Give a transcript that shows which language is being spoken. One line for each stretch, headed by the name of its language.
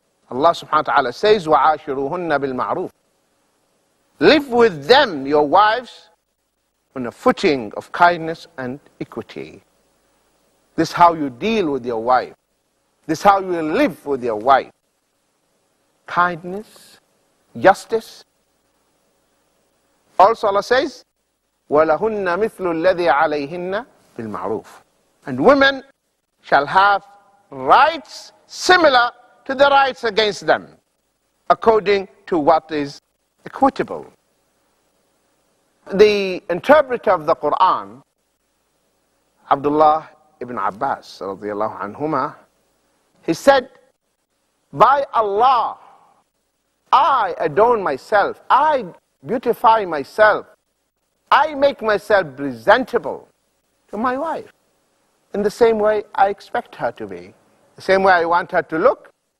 English: Allah subhanahu wa ta'ala says,
Arabic: وَعَاشِرُوهُنَّ بِالْمَعْرُوفِ.
English: Live with them, your wives, on a footing of kindness and equity. This is how you deal with your wife. This is how you live with your wife. Kindness, justice. Also Allah says,
Arabic: وَلَهُنَّ مِثْلُ الَّذِي عَلَيْهِنَّ بِالْمَعْرُوفِ.
English: And women shall have rights similar to the rights against them, according to what is equitable. The interpreter of the Quran, Abdullah ibn Abbas radiallahu anhuma, he said, by Allah, I adorn myself, I beautify myself, I make myself presentable to my wife in the same way I expect her to be, the same way I want her to look,